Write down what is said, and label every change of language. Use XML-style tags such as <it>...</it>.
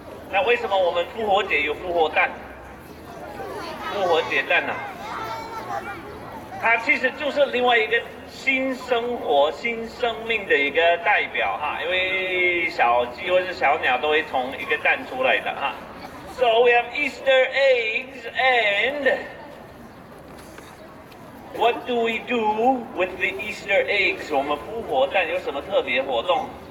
<zh>那为什么我们复活节有复活蛋？复活节蛋呢、啊？它其实就是另外一个新生活、新生命的一个代表哈，因为小鸡或是小鸟都会从一个蛋出来的哈。</zh> <en>So we have Easter eggs, and what do we do with the Easter eggs？</en> <zh>我们复活蛋有什么特别活动？</zh>